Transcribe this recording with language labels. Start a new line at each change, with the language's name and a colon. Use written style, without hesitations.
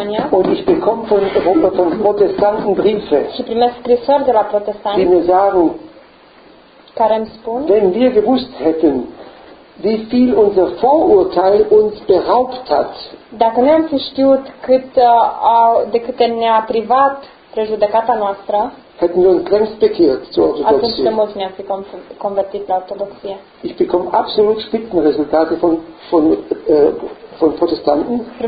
German: Und ich bekomme von Europa von Protestanten Briefe, die mir sagen, wenn wir gewusst hätten, wie viel unser Vorurteil uns beraubt hat,
Romanian: dacă ne-am fi știut cât, de câte ne-a privat prejudecata noastră,
German: hätten wir uns längst bekehrt zur Orthodoxie. Ich bekomme absolut Spitzenresultate von Protestanten.